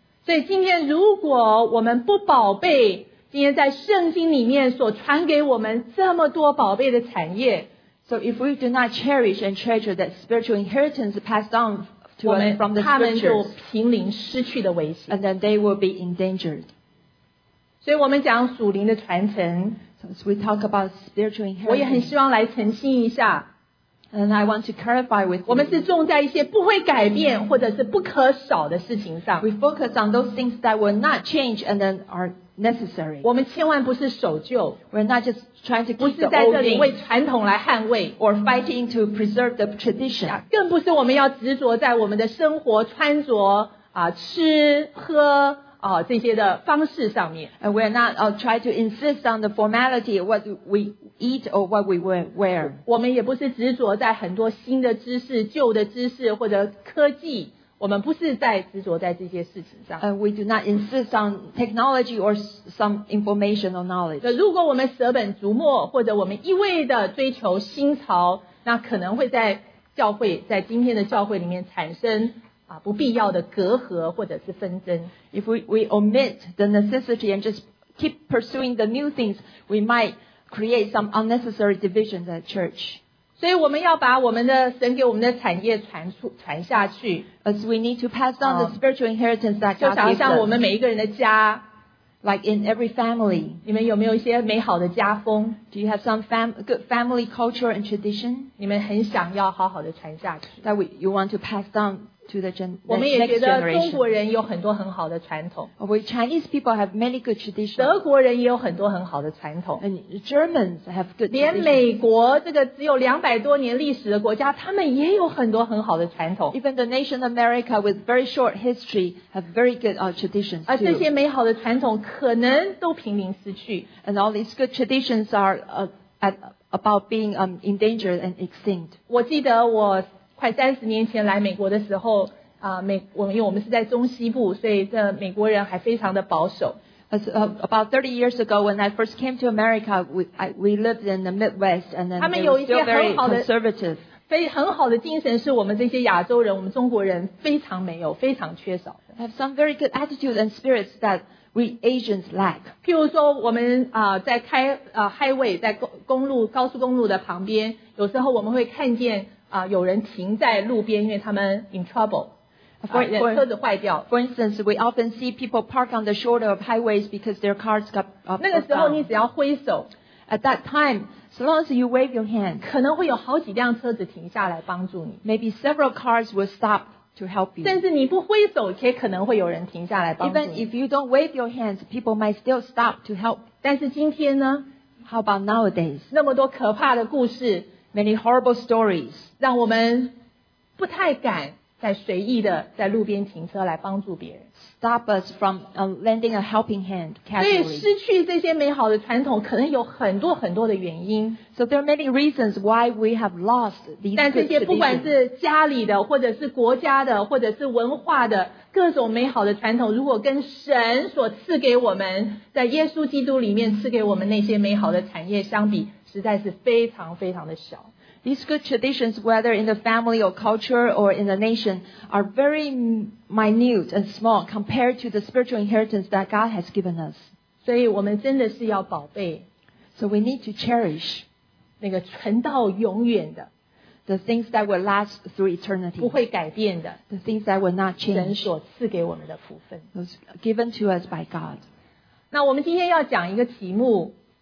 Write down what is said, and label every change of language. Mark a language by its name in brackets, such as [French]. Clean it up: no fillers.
[Chinese] 所以今天如果我们不宝贝今天在圣经里面所传给我们这么多宝贝的产业 [English] So if we do not cherish and treasure that spiritual inheritance passed on to us from the scriptures [Chinese] 他们就濒临失去的危险 [English] And then they will be endangered. [Chinese] 所以我们讲属灵的传承 [English] So as we talk about spiritual inheritance [Chinese] 我也很希望来澄清一下 [English] And I want to clarify with you. [Chinese] 我们是重在一些不会改变或者是不可少的事情上。 [English] We focus on those things that will not change and then are necessary. [Chinese] 我们千万不是守旧。 [English] We're not just trying to keep the old [Chinese] 不是在这里为传统来捍卫。 [English] Or fighting to preserve the tradition. [Chinese] 更不是我们要执着在我们的生活穿着啊吃喝。这些的方式上面 [English] and we're not try to insist on the formality what we eat or what we wear [Chinese] 我们也不是执着在很多新的知识旧的知识或者科技我们不是在执着在这些事情上 [English] and we do not insist on technology or some informational knowledge [Chinese] 如果我们舍本逐末或者我们一味的追求新潮那可能会在教会在今天的教会里面产生不必要的隔阂或者是纷争 [English] If we omit the necessity and just keep pursuing the new things we might create some unnecessary divisions at church [Chinese] 所以我们要把我们的神给我们的产业 传下去 [English] As we need to pass on the spiritual inheritance that God gives us [Chinese] 就想像我们每一个人的家 [English] Like in every family [Chinese] 你们有没有一些美好的家风 [English] Do you have some good family culture and tradition [Chinese] 你们很想要好好的传下去 [English] That you want to pass downto the next generation. [Chinese] 我们也觉得中国人有很多很好的传统。 [English] We Chinese people have many good traditions. [Chinese] 德国人也有很多很好的传统。 [English] And Germans have good traditions. [Chinese] 连美国这个只有200多年历史的国家他们也有很多很好的传统。 [English] Even the nation of America with very short history have very good traditions too. [Chinese] 而这些美好的传统可能都濒临失去。 [English] And all these good traditions are about being endangered and extinct. [Chinese] 我记得我快三十年前来美国的时候因为我们是在中西部所以这美国人还非常的保守。 [English] About 30 years ago, when I first came to America, we lived in the Midwest, and then they were still very conservative. [Chinese] 非常好的精神是我们这些亚洲人我们中国人非常没有非常缺少的。 [English] Have some very good attitude and spirits that we Asians lack. [Chinese] 譬如说我们在开highway, 在公路高速公路的旁边有时候我们会看见有人停在路边因为他们 [English] in trouble [Chinese] 车子坏掉 [English] For instance, we often see people park on the shoulder of highways because their cars got [Chinese] 那个时候你只要挥手 [English] At that time, as long as you wave your hand [Chinese] 可能会有好几辆车子停下来帮助你 [English] Maybe several cars will stop to help you [Chinese] 甚至你不挥手也可能会有人停下来帮助你 [English] Even if you don't wave your hands, people might still stop to help [Chinese] 但是今天呢 [English] How about nowadays? [Chinese] 那么多可怕的故事 [English] Many horrible stories. [Chinese] 让我们不太敢在随意的在路边停车来帮助别人。 [English] Stop us from lending a helping hand casually. [Chinese] 所以失去这些美好的传统可能有很多很多的原因。 [English] So there are many reasons why we have lost these traditions. [Chinese] 但这些不管是家里的或者是国家的或者是文化的各种美好的传统如果跟神所赐给我们在耶稣基督里面赐给我们那些美好的产业相比实在是非常非常的小。 [English] These good traditions, whether in the family or culture or in the nation, are very minute and small compared to the spiritual inheritance that God has given us. [Chinese] 所以我们真的是要宝贝。 [English] So we need to cherish [Chinese] 那个存到永远的 [English] the things that will last through eternity, [Chinese] 不会改变的 [English] the things that will not change, [Chinese] 神所赐给我们的福分 [English] those given to us by God. [Chinese] 那我们今天要讲一个题目